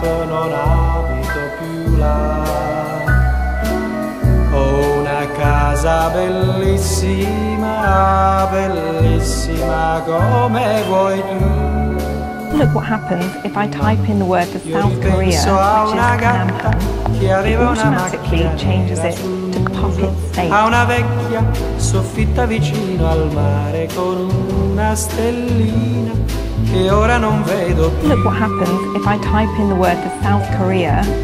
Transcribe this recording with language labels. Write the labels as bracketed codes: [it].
[it] Non abito più là, ho una casa bellissima, bellissima come vuoi tu. [en] Look what happens if I type in the word for South Korea, which is Namhan. It automatically changes it to puppet state. [it] A una vecchia soffitta vicino al mare con una stellina che ora non vedo più. [en] Look what happens if I type in the word for South Korea.